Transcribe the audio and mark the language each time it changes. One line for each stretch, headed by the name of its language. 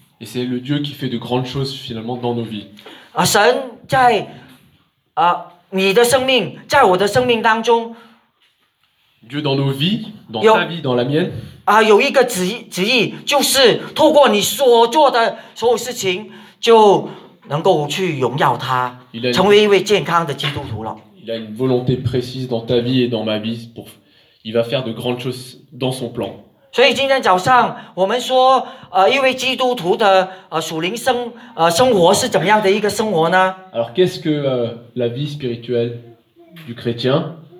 French: Et c'est le Dieu qui fait de grandes choses finalement dans nos vies.
Chinese: 神在你的生命，在我的生命当中。
French: Dieu dans nos vies, dans ta vie, dans la mienne.
Chinese: 有一个旨意，就是透过你所做的所有事情，就能够去荣耀他，成为一位健康的基督徒了。
French: Il a une volonté précise dans ta vie et dans ma vie pour, il va faire de grandes choses dans son plan.
Chinese: 所以今天早上我们说，一位基督徒的属灵生活是怎样的一个生活呢？
French: Alors qu'est-ce que la vie spirituelle du chrétien?